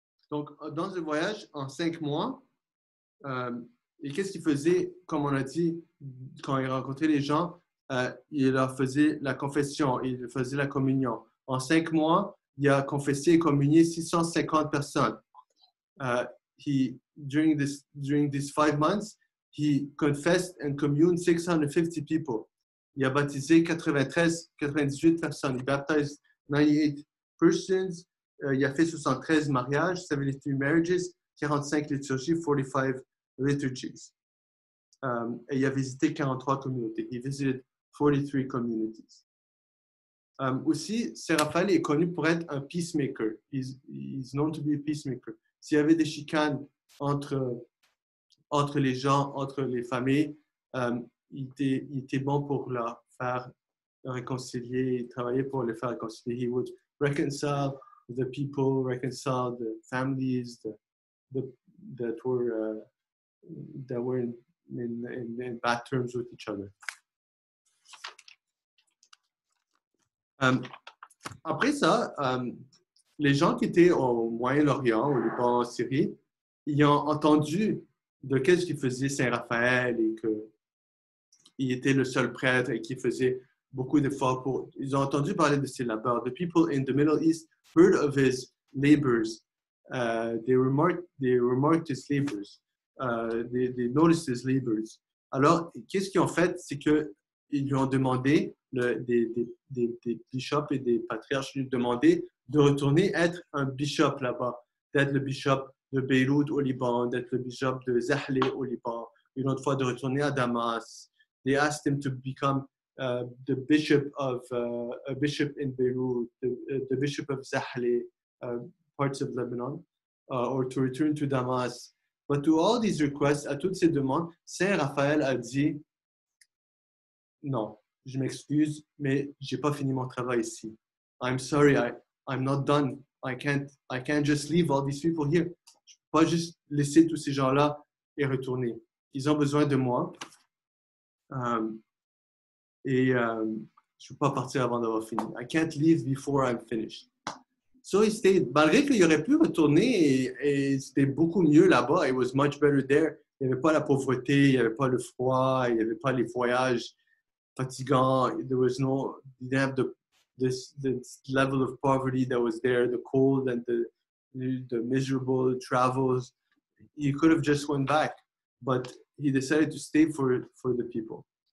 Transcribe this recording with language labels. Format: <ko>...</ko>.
<fr>Donc, dans un voyage en 5 mois, et qu'est-ce qu'il faisait, comme on a dit, quand il rencontrait les gens, il leur faisait la confession, il faisait la communion. En 5 mois, il a confessé et communié 650 personnes.</fr> <en>During these 5 months, he confessed and communed 650 people.</en> <fr>Il a baptisé 98 personnes.</fr> <en>He baptized 98 persons.</en> <fr>Il a fait 73 mariages,</fr> <en>73 marriages,</en> <fr>45 liturgies, 45 liturgies. Et il a visité 43 communautés.</fr> <en>He visited 43 communities.</en> <fr>Aussi, Séraphin est connu pour être un peacemaker.</fr> <en>He's known to be a peacemaker.</en> <fr>S'il y avait des chicanes entre les gens, entre les familles, il était bon pour leur faire réconcilier, travailler pour les faire réconcilier.</fr> <en>He would reconcile the people, reconcile the families, that were in bad terms with each other.</en> <fr>Après ça, les gens qui étaient au Moyen-Orient, au Liban, en Syrie, ils ont entendu de qu'est-ce qu'il faisait Saint-Raphaël et qu'il était le seul prêtre et qu'il faisait beaucoup d'efforts pour... Ils ont entendu parler de ses labeurs.</fr> <en>The people in the Middle East heard of his labors. They remarked his labors. They noticed his labors.</en> <fr>Alors, qu'est-ce qu'ils ont fait? C'est qu'ils lui ont demandé, des bishops et des patriarches lui ont demandé de retourner être un bishop là-bas, d'être le bishop de Beyrouth au Liban, d'être le bishop de Zahle au Liban, une autre fois de retourner à Damas.</fr> <en>They asked him to become the bishop of a bishop in Beirut, the bishop of Zahle, parts of Lebanon, or to return to Damas. But to all these requests,</en> <fr>à toutes ces demandes, Saint Raphaël a dit, non, je m'excuse, mais j'ai pas fini mon travail ici.</fr> <en>I'm sorry, I'm not done. I can't just leave all these people here.</en> <fr>Je peux pas juste laisser tous ces gens-là et retourner. Ils ont besoin de moi. Je ne peux pas partir avant d'avoir fini.</fr> <en>I can't leave before I'm finished. So he stayed.</en> <fr>Malgré qu'il aurait pu retourner, et c'était beaucoup mieux là-bas.</fr> <en>It was much better there.</en> <fr>Il n'y avait pas la pauvreté, il n'y avait pas le froid, il n'y avait pas les voyages fatigants.</fr> <en>There was no, he didn't have this level of poverty that was there, the cold and the miserable travels. He could have just went back, but he decided to stay for the people.</en>